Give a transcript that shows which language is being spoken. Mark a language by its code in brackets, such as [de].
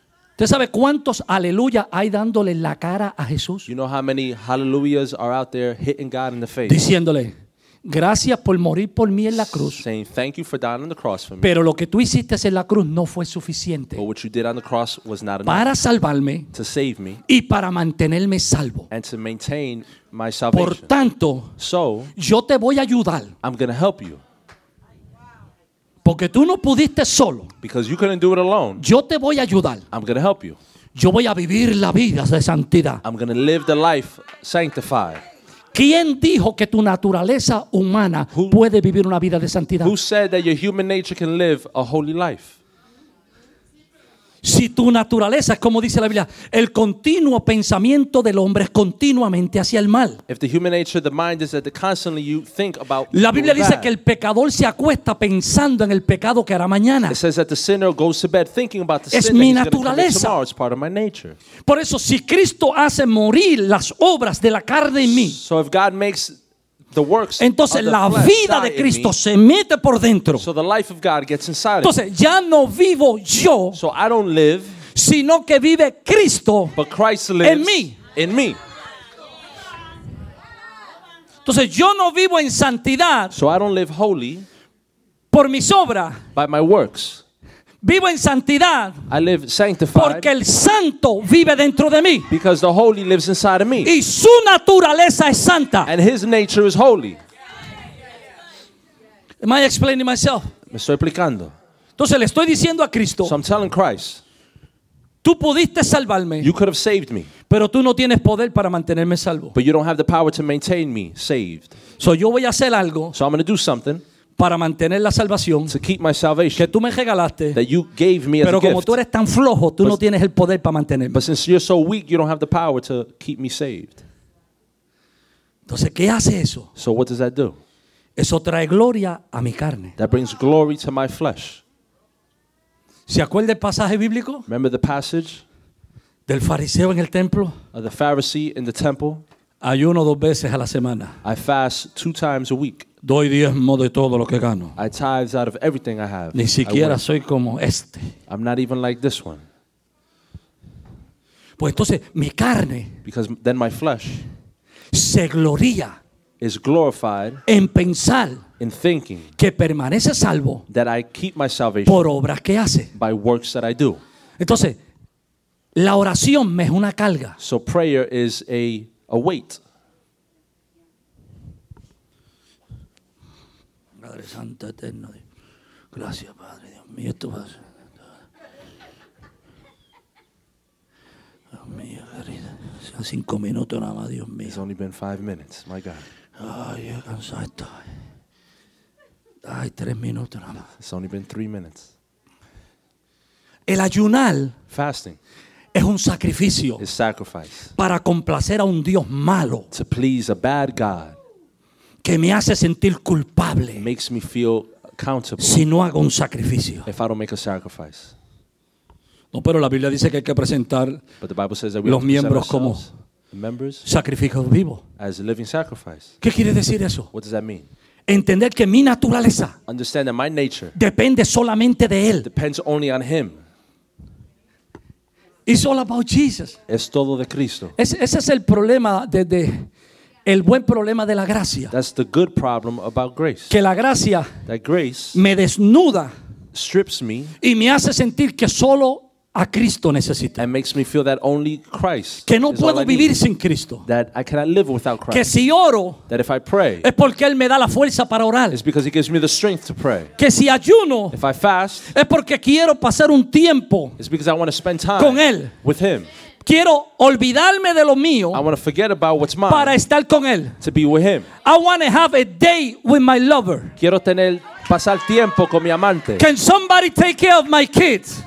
[es] ¿Usted sabe cuántos aleluya hay dándole la cara a Jesús? [en] You know how many hallelujahs are out there hitting God in the face. [es] Diciéndole, gracias por morir por mí en la cruz. [en] Saying, thank you for dying on the cross for me. [es] Pero lo que tú hiciste en la cruz no fue suficiente. [en] But what you did on the cross was not enough. [es] Para salvarme. [en] To save me. [es] Y para mantenerme salvo. [en] And to maintain my salvation. [es] Por tanto, [en] so, [es] yo te voy a ayudar. [en] I'm going to help you. [es] Porque tú no pudiste solo. [en] Because you couldn't do it alone. [es] Yo te voy a ayudar. [en] I'm going to help you. [es] Yo voy a vivir la vida de santidad. [en] I'm going to live the life sanctified. [es] ¿Quién dijo que tu naturaleza humana puede vivir una vida de santidad? [en] Who said that your human nature can live a holy life? [es] Si tu naturaleza es como dice la Biblia, el continuo pensamiento del hombre es continuamente hacia el mal. [en] If the human nature, the mind is that constantly you think about. [es] La Biblia dice que el pecador se acuesta pensando en el pecado que hará mañana. [en] It says that the sinner goes to bed thinking about the [es] sin. Es mi naturaleza. [en] It's part of my nature. [es] Por eso, si Cristo hace morir las obras de la carne en mí. [en] So if God makes the works, [es] entonces [en] of the [es] la [en] flesh [es] vida de Cristo [en] me, [es] se mete por dentro. [en] So the life of God gets inside. [es] Entonces ya no vivo yo, [en] so I don't live, [es] sino que vive Cristo, [en] but Christ lives [es] en mí. [en] In me. [es] Entonces yo no vivo en santidad, [en] so I don't live holy, [es] por mis obras, [en] by my works. [es] Vivo en santidad, [en] I live sanctified, [es] porque el santo vive dentro de mí, [en] because the holy lives inside of me, [es] y su naturaleza es santa, [en] and his nature is holy. Am I explaining myself? [es] Me estoy explicando. Entonces le estoy diciendo a Cristo, [en] so I'm telling Christ, [es] tú pudiste salvarme, [en] you could have saved me, [es] pero tú no tienes poder para mantenerme salvo, [en] but you don't have the power to maintain me saved. [es] So yo voy a hacer algo, [en] so I'm going to do something, [es] para mantener la salvación, [en] to keep my salvation, [es] que tú me regalaste, [en] that you gave me as a [es] gift. Pero como [en] gift. [es] Tú eres tan flojo, tú no tienes el poder para mantenerme. [en] But since you're so weak, you don't have the power to keep me saved. [es] Entonces, ¿qué hace eso? [en] So what does that do? [es] Eso trae gloria a mi carne. [en] That brings glory to my flesh. [es] ¿Se acuerda el pasaje bíblico? [en] Remember the passage? [es] Del fariseo en el templo. [en] Of the Pharisee in the temple. [es] Ayuno dos veces a la semana. [en] I fast 2 times a week. [es] Doy diezmo de todo lo que gano. [en] I tithe out of everything I have. [es] Ni siquiera soy como este. [en] I'm not even like this one. [es] Pues entonces mi carne, [en] because then my flesh, [es] se gloria, [en] is glorified, [es] en pensar, [en] in thinking, [es] que permanece salvo, [en] that I keep my salvation, [es] por obras que hace, [en] by works that I do. [es] Entonces la oración me es una carga. [en] So prayer is a weight. [es] Padre Santo Eterno, gracias Padre Dios mío, tú vas. Dios mío, querida, son 5 minutos nada más, Dios mío. [en] It's only been 5 minutes, my God. [es] Ay, yo cansado estoy. Ay, 3 minutos nada más. [en] It's only been 3 minutes. [es] El ayunar, [en] fasting, [es] es un sacrificio, [en] is sacrifice, [es] para complacer a un Dios malo, [en] to please a bad God, [es] que me hace sentir culpable, [en] makes me feel accountable, [es] si no hago un sacrificio, [en] if I don't make a sacrifice. [es] No, pero la Biblia dice que hay que presentar los miembros como sacrificios vivos, [en] as a living sacrifice. [es] ¿Qué quiere decir eso? [en] What does that mean? [es] Entender que mi naturaleza, [en] understand that my nature, [es] depende solamente de él, [en] depends only on him. It's all about Jesus. [es] Es todo de Cristo. Ese es el problema de el buen problema de la gracia. [en] That's the good problem about grace. [es] Que la gracia, [en] that grace, [es] me desnuda, [en] strips me, [es] y me hace sentir que solo a Cristo necesito. [en] And makes me feel that only Christ. [es] Que no puedo vivir sin Cristo. [en] That I cannot live without Christ. [es] Que si oro, [en] that if I pray, [es] es porque él me da la fuerza para orar. [en] It's because he gives me the strength to pray. [es] Que si ayuno, [en] if I fast, [es] es porque quiero pasar un tiempo, [en] it's because I want to spend time [es] con él, [en] with him. [es] Quiero olvidarme de lo mío, [en] I want to forget about what's mine, [es] para estar con él, [en] to be with him. I want to have a day with my lover. [es] Quiero tener, pasar tiempo con mi amante. [en] Can somebody take care of my kids?